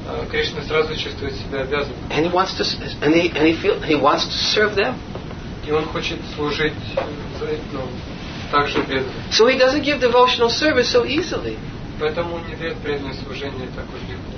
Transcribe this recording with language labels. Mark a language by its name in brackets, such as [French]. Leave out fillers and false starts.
[Russian] Krishna сразу чувствует себя обязанным. [English] And he wants to, and he wants to serve them. [Russian] И он хочет служить за это, ну, также преданно. [English] So he doesn't give devotional service so easily. [Russian] Поэтому он не дает преданное служение так уж легко.